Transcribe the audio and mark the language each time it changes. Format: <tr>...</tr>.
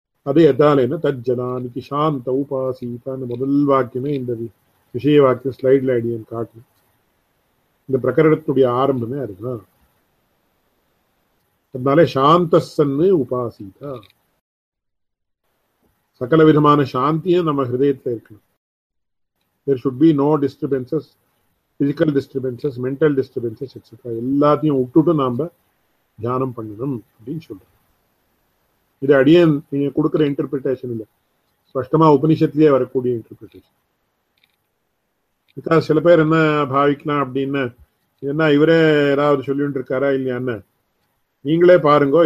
<ta>அது எதால என்ன, தஜ்ஜனான் கிஷாந்த உபாசீதான்னு முதல் வாக்கியமே இந்த விஷய வாக்கியம் ஸ்லைட்ல அடியன் காட்டும். இந்த பிரகரணத்துடைய ஆரம்பமே அதுதான். அதனால சாந்தசன்னு உபாசீதா, சகல விதமான சாந்தியும் நம்ம ஹிருதயத்துல இருக்கணும்.</ta> <en>There should be no disturbances, physical disturbances, mental disturbances, etc.</en> <ta>எல்லாத்தையும் விட்டுட்டு நாம் தியானம் பண்ணணும் அப்படின்னு சொல்றோம். இது அடியே நீங்க கொடுக்குற இன்டர்பிரிட்டேஷன் இல்லை, ஸ்பஷ்டமா உபனிஷத்துலயே வரக்கூடிய இன்டர்பிரிட்டேஷன். இதான் சில பேர் என்ன பாவிக்கலாம் அப்படின்னு, என்ன இவரே ஏதாவது சொல்லிட்டு இருக்காரா இல்லையான்னு நீங்களே பாருங்கோ.</ta>